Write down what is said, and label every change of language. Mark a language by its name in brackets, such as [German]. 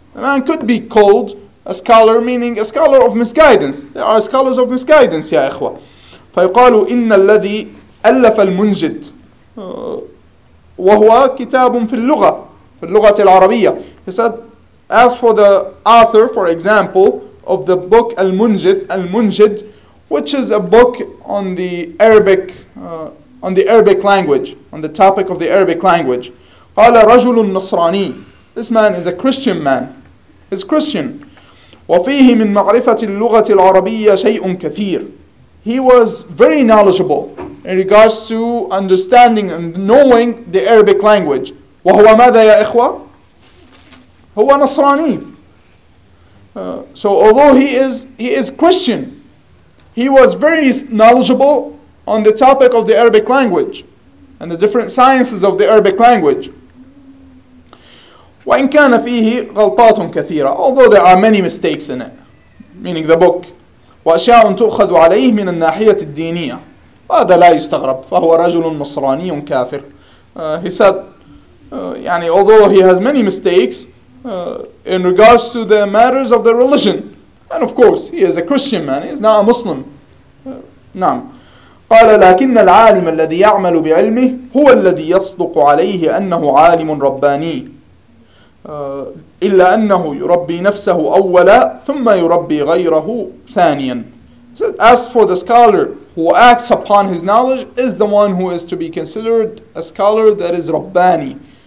[English] A man could be called a scholar, meaning a scholar of misguidance. There are scholars of misguidance, [Arabic] ya ikhwa. فيقال إن الذي ألف المنجد وهو كتاب في اللغة. في اللغة العربية. [English] He said, as for the author, for example, of the book Al-Munjid, Al-Munjid, which is a book on the Arabic, on the Arabic language, on the topic of the Arabic language. [Arabic] قال رجل نصراني. [English] This man is a Christian man. He's Christian. [Arabic] وفيه من معرفة اللغة العربية شيء كثير. [English] He was very knowledgeable in regards to understanding and knowing the Arabic language. [Arabic] وهو ماذا يا إخوة؟ هو نصراني. [English] So although he is Christian, he was very knowledgeable on the topic of the Arabic language and the different sciences of the Arabic language. [Arabic] وإن كان فيه غلطات كثيرة, [English] although there are many mistakes in it, meaning the book. [Arabic] وأشياء تؤخذ عليه من الناحية الدينية. وهذا لا يستغرب, فهو رجل مصراني كافر. [English] He said, يعني although he has many mistakes in regards to the matters of the religion, and of course he is a Christian man, he is not a Muslim. [Arabic] نعم. قال لكن العالم الذي يعمل بعلمه هو الذي يصدق عليه أنه عالم رباني إلا أنه يربي نفسه أولا ثم يربي غيره ثانيا. [English] As for the scholar who acts upon his knowledge is the one who is to be considered a scholar that is رباني.